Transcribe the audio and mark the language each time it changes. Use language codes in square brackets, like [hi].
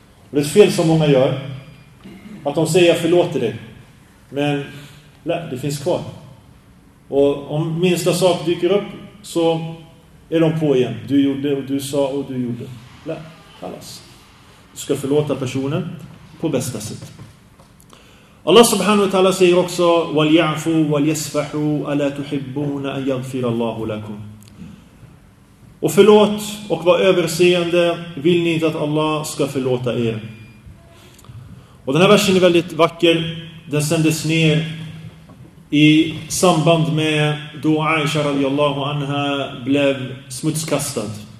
[sv] Och det är fel som många gör. Att de säger jag förlåter dig, men det finns kvar. Och om minsta sak dyker upp, så är de på igen. Du gjorde och du sa och du gjorde. Khalas. Du ska förlåta personen på bästa sätt. [ar] Allah subhanahu wa ta'ala [sv] säger också: [ar] وَلْيَعْفُوا وَلْيَسْفَحُوا أَلَا تُحِبُّونَ أَنْ يَغْفِرَ اللَّهُ لَكُمْ. [sv] Och förlåt och var överseende, vill ni inte att Allah ska förlåta er? Och den här versen är väldigt vacker. Den sändes ner i samband med då Aisha radiyallahu anha blev smutskastad.